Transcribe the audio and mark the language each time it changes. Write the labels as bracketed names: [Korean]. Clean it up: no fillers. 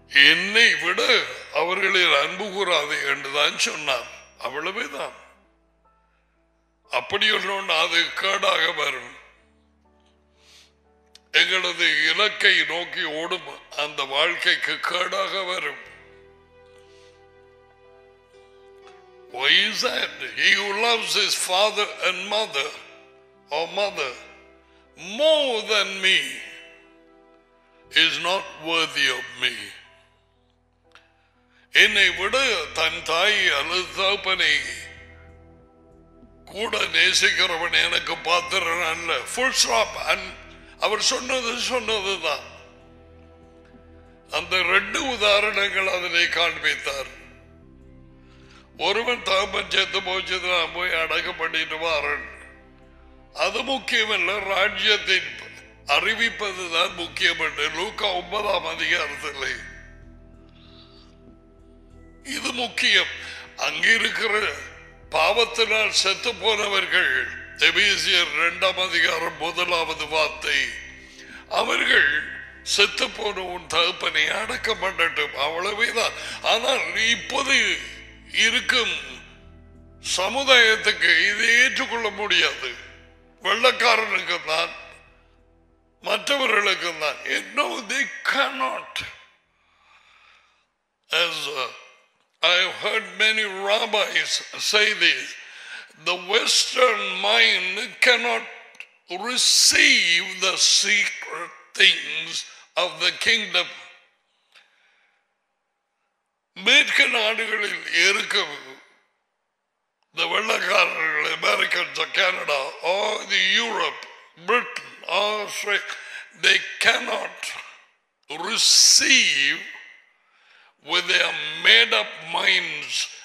[Tamil] என்னை விட அவர்களில் அன்பு கூறாது என்றுதான் சொன்னார். அவ்வளவுதான். அப்படி ஒன்று அது கேடாக வரும். எங்களது இலக்கை நோக்கி ஓடும் அந்த வாழ்க்கைக்கு கேடாக வரும். [English] Why is that? He who loves his father and mother or mother more than me is not worthy of me. [Tamil] என்னை விட தன் தாய் அல்லது தகப்பனை கூட நேசிக்கிறவன் எனக்கு பாத்திரன் அல்ல. Full stop. அவர் சொன்னது சொன்னது தான். அந்த ரெண்டு உதாரணங்கள் அதனை காண்பித்தார். ஒருவன் தகப்பன் சேர்த்து போச்சது நான் போய் அடக்கம் பண்ணிட்டு வாரன். அது முக்கியமல்ல, ராஜ்யத்தின் அறிவிப்பது தான் முக்கியம். லூக்கா 9 அதிகாரத்தில் இது முக்கியம். அங்கிருக்கிற பாவத்தினால் செத்து போனவர்கள் எபேசியர் 2:1 அவர்கள் செத்து போன உன் தகப்பனை அடக்கம் பண்ணட்டும். அவ்வளவே தான். ஆனால் இப்போது இருக்கும் சமுதாயத்துக்கு இதை ஏற்றுக்கொள்ள முடியாது. வெள்ளக்காரனுக்கு தான், மற்றவர்களுக்கு தான். [English] They cannot. As I have heard many rabbis say this, the Western mind cannot receive the secret things of the kingdom. [Tamil] மேற்கு நாடுகளில் இருக்கும் இந்த வெள்ளக்காரர்கள், Americans, Canada, R the Europe, Britain, Australia, [English] They cannot receive with their made up minds.